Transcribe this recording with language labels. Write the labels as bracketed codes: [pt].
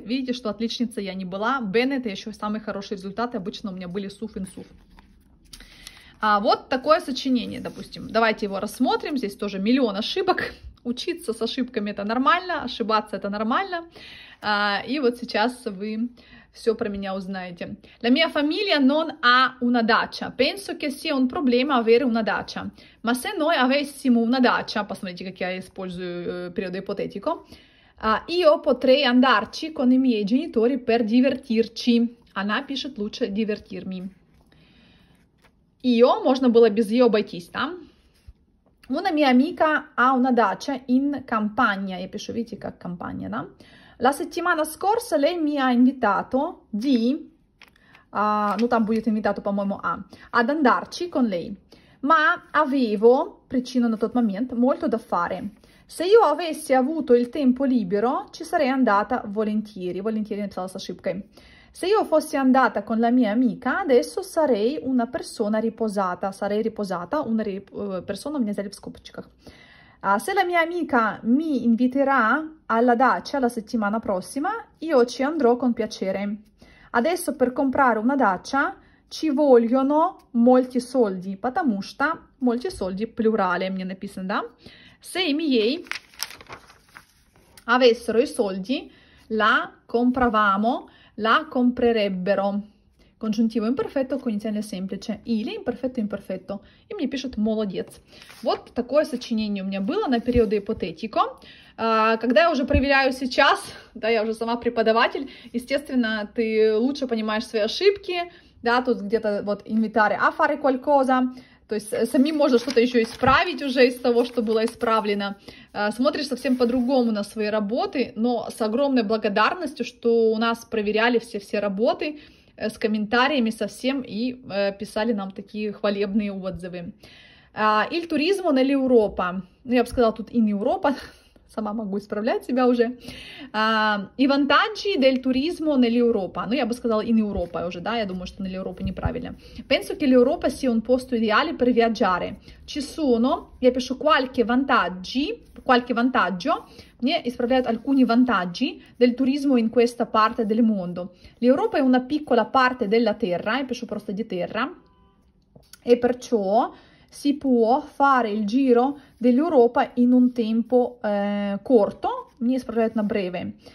[ru] Видите, что отличница я не была. Бен — это еще самые хорошие результаты. Обычно у меня были суф, инсуф. А вот такое сочинение, допустим. Давайте его рассмотрим. Здесь тоже миллион ошибок. учиться с ошибками это нормально, ошибаться это нормально. И вот сейчас вы все про меня узнаете. [it] La mia famiglia non ha una dacia. Penso che sia un problema avere una dacia. Ma se noi avessimo una dacia, [ru] посмотрите, как я использую [it] periodo ipotetico, io potrei andarci con i miei genitori per divertirci. [ru] Она пишет лучше [it] divertirmi. [ru] Io, можно было без ее обойтись, да? [it] Una mia amica ha una dacia in campagna. [ru] Я пишу, видите, как кампания, да? [it] La settimana scorsa lei mi ha invitato di... [ru] ну, там будет invitato, по-моему, a... [it] ad andarci con lei. Ma avevo, [ru] причину на тот момент, [it] molto da fare. Se io avessi avuto il tempo libero, ci sarei andata volentieri. [ru] Volentieri написала с ошибкой. [it] Se io fossi andata con la mia amica, adesso sarei una persona riposata. Sarei riposata, una persona [ru] у меня взяли в скобочках. [it] Se la mia amica mi inviterà alla dacia la settimana prossima, io ci andrò con piacere. Adesso per comprare una dacia ci vogliono molti soldi, [ru] потому что [it] molti soldi, plurale, [ru] мне написано, да? [it] Se i miei avessero i soldi, la compravamo, la comprerebbero. Конjunctivo imperfetto, коинициальное semplice. Или imperfetto, imperfetto. [ru] И мне пишут молодец. Вот такое сочинение у меня было на периоды ипотетико. Когда я уже проверяю сейчас, да, я уже сама преподаватель, естественно, ты лучше понимаешь свои ошибки, да, тут где-то вот [it] invitare a fare qualcosa, [ru] то есть самим можно что-то еще исправить уже из того, что было исправлено. Смотришь совсем по-другому на свои работы, но с огромной благодарностью, что у нас проверяли все-все работы, с комментариями совсем и писали нам такие хвалебные отзывы. [it] Il turismo nell'Europa. [ru] Ну, я бы сказала, тут in Europa. Сама могу исправлять себя уже. [it] I vantaggi del turismo nell'Europa. [ru] Ну, я бы сказала, in Europa уже, да, я думаю, что nell'Europa неправильно. [it] Penso che l'Europa sia un posto ideale per viaggiare. Ci sono, [ru] я пишу, [it] qualche vantaggio. [ru] Мне исправляют [it] alcuni vantaggi del turismo in questa parte del mondo. L'Europa è una piccola parte della terra, [ru] я пишу просто [it] di terra, e perciò si può fare il giro dell'Europa in un tempo corto, [ru] мне исправляют на [it] breve.